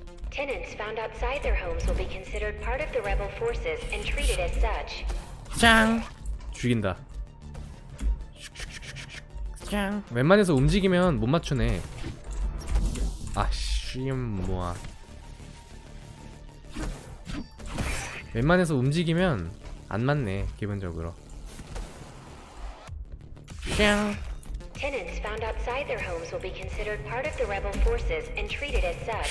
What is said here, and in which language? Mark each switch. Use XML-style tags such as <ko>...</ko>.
<en>Tenants found outside their homes will be considered part of the rebel forces and treated as such.</en> <ko>짱. 죽인다. 짱. 웬만해서 움직이면 못 맞추네. 아씨 뭐야. 웬만해서 움직이면 안 맞네 기본적으로. 짱.</ko> <en>Tenants found outside their homes will be considered part of the rebel forces and treated as such.</en>